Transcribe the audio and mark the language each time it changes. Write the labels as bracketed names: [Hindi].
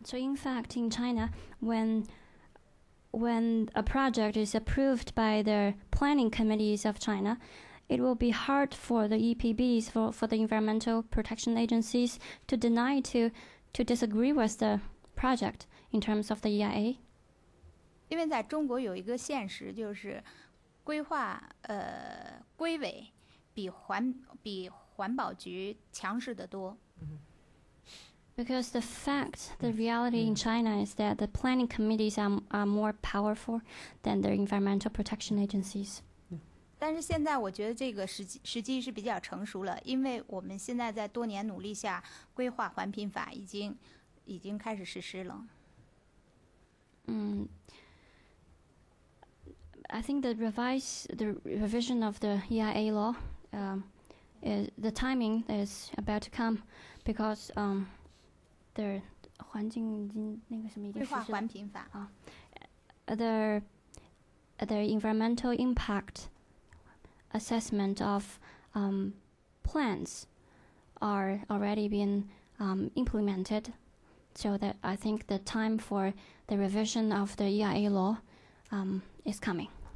[English] So in fact, in China, when a project is approved by the planning committees of China, it will be hard for the EPBs for the environmental protection agencies to deny to disagree with the project in terms of the EIA? [Chinese] 因为在中国有一个现实，就是规划规委比环保局强势得多。 [English] Because the fact, the reality in China is that the planning committees are more powerful than the environmental protection agencies. [Chinese] 但是现在我觉得这个时机是比较成熟了，因为我们现在在多年努力下，规划环评法已经开始实施了。 [English] I think the revision of the EIA law, the timing is about to come, because the [Chinese] 环境那个什么已经规划环评法 [English] 啊、the environmental impact assessment of plans are already being implemented, so that I think the time for the revision of the EIA law is coming.